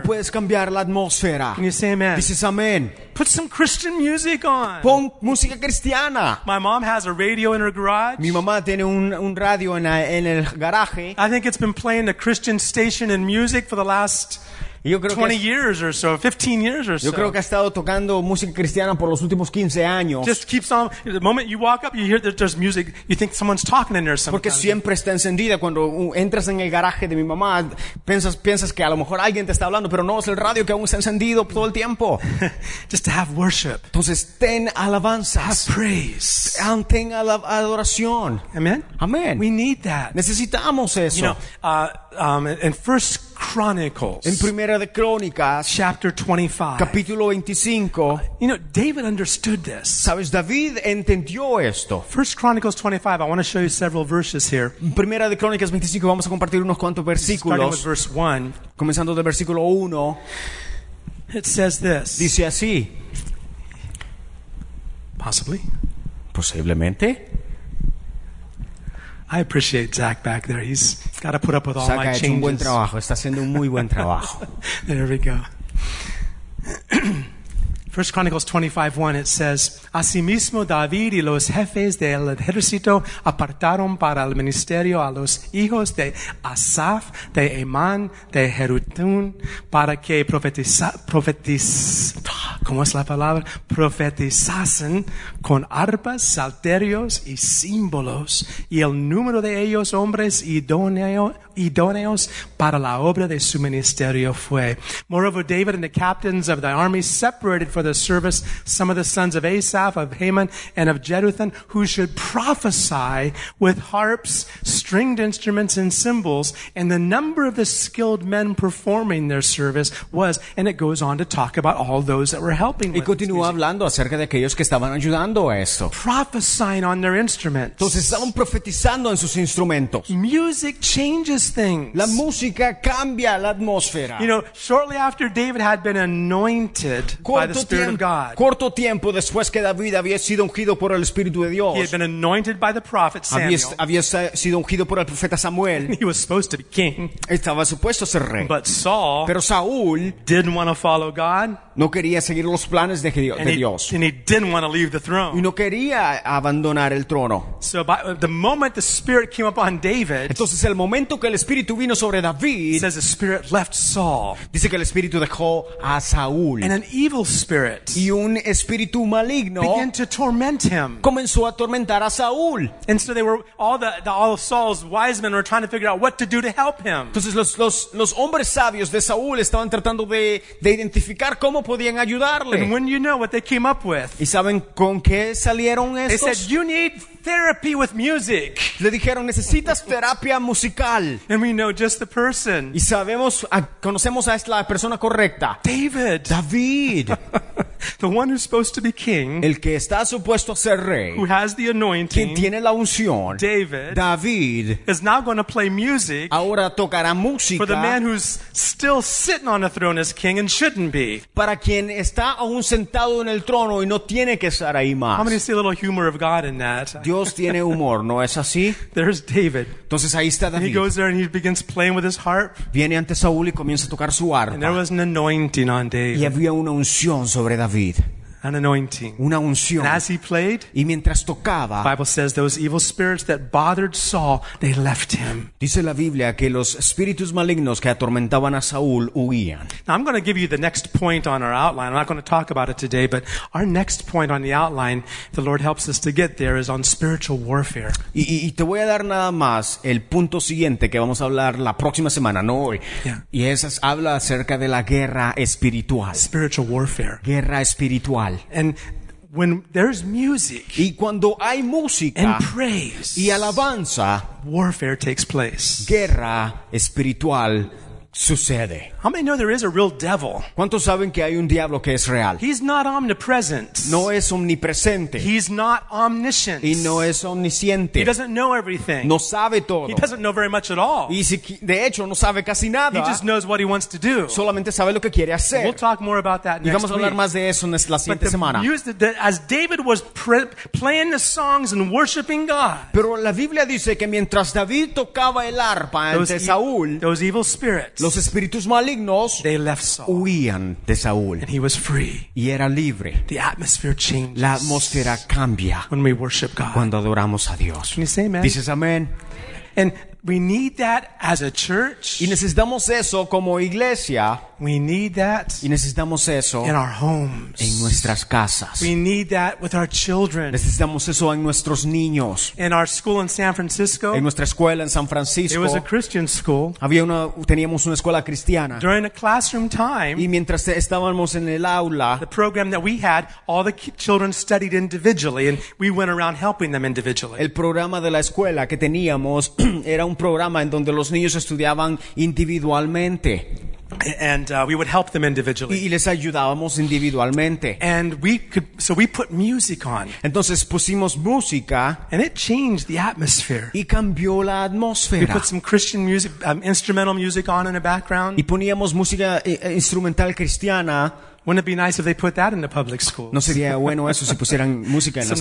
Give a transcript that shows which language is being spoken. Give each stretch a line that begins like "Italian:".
Spanish: Tú puedes cambiar la atmósfera.
English: Can you say amen?
Spanish: Dices amén.
English: Put some Christian music on.
Spanish: Pon música cristiana.
English: My mom has a radio in her garage.
Spanish: Mi mamá tiene un radio en el garaje.
English: I think it's been playing the Christian station and music for the last 20 years or so, 15 years or so.
Spanish: Yo creo que ha estado tocando música cristiana por los últimos 15 años.
English: Just keeps on. The moment you walk up, you hear that there's music. You think someone's talking in there sometimes.
Spanish: Porque siempre está encendida cuando entras en el garaje de mi mamá. Piensas que a lo mejor alguien te está hablando, pero no, es el radio que aún está encendido todo el tiempo.
English: Just to have worship.
Spanish: Entonces ten alabanzas.
English: Have praise.
Spanish: Ten adoración.
English: Amen. Amen. We need that.
Spanish: Necesitamos eso.
English: You know, in First Chronicles,
Spanish: en Primera de Crónicas,
English: chapter 25,
Spanish: capítulo 25,
English: you know, David understood this.
Spanish: Sabes, David entendió esto.
English: First Chronicles 25, I want to show you several verses here.
Spanish: Primera de Crónicas 25, vamos a compartir unos cuantos versículos.
English: Starting with verse 1.
Spanish: Comenzando del versículo 1.
English: It says this.
Spanish: Dice así.
English: Possibly.
Spanish: Posiblemente.
English: I appreciate Zach back there. He's got to put up with all Zach my changes.
Spanish: Ha hecho un buen trabajo. Está haciendo un muy buen trabajo.
English: There we go. First Chronicles 25:1, it says,
Spanish: Asimismo David y los jefes del ejército apartaron para el ministerio a los hijos de Asaf, de Emán, de Jerutún, para que profetizasen con arpas, salterios y símbolos, y el número de ellos hombres idóneos para la obra de su ministerio fue.
English: Moreover, David and the captains of the army separated for the service some of the sons of Asaph, of Heman, and of Jeduthun, who should prophesy with harps, stringed instruments, and cymbals, and the number of the skilled men performing their service was, and it goes on to talk about all those that were helping.
Spanish: Y continúa hablando acerca de aquellos que estaban ayudando a esto.
English: Prophesying on their instruments.
Spanish: Entonces estaban profetizando en sus instrumentos.
English: Music changes things.
Spanish: La música cambia la atmósfera.
English: You know, shortly after David had been anointed by the Spirit of God.
Spanish: Corto tiempo después que David había sido ungido por el Espíritu de Dios.
English: He had been anointed by the prophet Samuel.
Spanish: Había sido ungido por el profeta Samuel.
English: He was supposed to be king.
Spanish: Estaba supuesto a ser rey.
English: But Saul,
Spanish: pero Saúl,
English: didn't want to follow God.
Spanish: No quería seguir los planes de Dios.
English: And he didn't want to leave the throne.
Spanish: Y no quería abandonar el trono.
English: So by the moment the Spirit came upon David,
Spanish: entonces el momento que el Espíritu vino sobre David,
English: says the Spirit left Saul.
Spanish: Dice que el Espíritu dejó a Saúl.
English: And an evil spirit,
Spanish: y un espíritu maligno,
English: began to torment him.
Spanish: Comenzó a atormentar a Saúl.
English: And so they were all of Saul's wise men were trying to figure out what to do to help him.
Spanish: Entonces los hombres sabios de Saúl estaban tratando de identificar cómo podían ayudarle.
English: And when you know what they came up with,
Spanish: ¿y saben con qué salieron estos?
English: They said, you need therapy with music.
Spanish: Le dijeron, necesitas terapia musical.
English: And we know just the person.
Spanish: Y sabemos, conocemos a la persona correcta.
English: David.
Spanish: David.
English: The one who's supposed to be king.
Spanish: El que está supuesto a ser rey.
English: Who has the anointing.
Spanish: Quien tiene la unción.
English: David.
Spanish: David.
English: Is now going to play music.
Spanish: Ahora tocará música.
English: For the man who's still sitting on a throne as king and shouldn't be.
Spanish: Para quien está aún sentado en el trono y no tiene que estar ahí más.
English: How many see a little humor of God in that?
Spanish: Dios tiene humor, ¿no es así?
English: There's David.
Spanish: Entonces ahí está David.
English: He goes there and he begins playing with his harp.
Spanish: Viene ante Saúl y comienza a tocar su arpa.
English: And there was an anointing on David.
Spanish: Y había una unción sobre David.
English: An anointing.
Spanish: Una unción.
English: And as he played,
Spanish: y mientras tocaba,
English: the Bible says those evil spirits that bothered Saul, they left him.
Spanish: Dice la Biblia que los espíritus malignos que atormentaban a Saúl huían.
English: Now I'm going to give you the next point on our outline. I'm not going to talk about it today, but our next point on the outline, if the Lord helps us to get there, is on spiritual warfare.
Spanish: Y te voy a dar nada más el punto siguiente que vamos a hablar la próxima semana, no hoy.
English: Yeah.
Spanish: Y eso habla acerca de la guerra espiritual.
English: Spiritual warfare.
Spanish: Guerra espiritual.
English: And when there's music,
Spanish: y cuando hay música,
English: and praise,
Spanish: y alabanza,
English: warfare takes place.
Spanish: Guerra espiritual sucede.
English: How many know there is a real devil?
Spanish: ¿Cuántos saben que hay un diablo que es real?
English: He's not omnipresent.
Spanish: No es omnipresente.
English: He's not omniscient.
Spanish: Y no es omnisciente.
English: He doesn't know everything.
Spanish: No sabe todo.
English: He doesn't know very much at all.
Spanish: Y si, de hecho, no sabe casi nada.
English: He just knows what he wants to do.
Spanish: Solamente sabe lo que quiere hacer.
English: We'll talk more about that next week.
Spanish: Y vamos a hablar más de eso en la siguiente semana.
English: As David was playing the songs and worshiping God.
Spanish: Pero la Biblia dice que mientras David tocaba el arpa ante Saúl,
English: those evil spirits,
Spanish: los espíritus malignos,
English: they left Saul,
Spanish: huían de Saúl,
English: and he was free.
Spanish: Y era libre.
English: The atmosphere changes.
Spanish: La atmósfera cambia
English: when we worship God.
Spanish: Cuando adoramos a Dios.
English: Can you say amen?
Spanish: Dices amén.
English: And we need that as a church.
Spanish: Y necesitamos eso como iglesia.
English: We need that.
Spanish: Y necesitamos eso
English: in our homes.
Spanish: En nuestras casas.
English: We need that with our children.
Spanish: Necesitamos eso en nuestros niños.
English: In our school in San Francisco.
Spanish: En nuestra escuela en San Francisco.
English: It was a Christian school.
Spanish: Teníamos una escuela cristiana.
English: During a classroom time.
Spanish: Y mientras estábamos en el aula.
English: The program that we had, all the children studied individually, and we went around helping them individually.
Spanish: El programa de la escuela que teníamos era un programa en donde los niños estudiaban individualmente.
English: And we would help them individually.
Spanish: Y les ayudábamos individualmente.
English: And we could, so we put music on.
Spanish: Entonces pusimos música.
English: And it changed the atmosphere.
Spanish: Y cambió la atmósfera.
English: We put some Christian music, instrumental music on in the background.
Spanish: Y poníamos música instrumental cristiana.
English: Wouldn't it be nice if they put that in the public schools?
Spanish: No sería bueno eso si pusieran música en las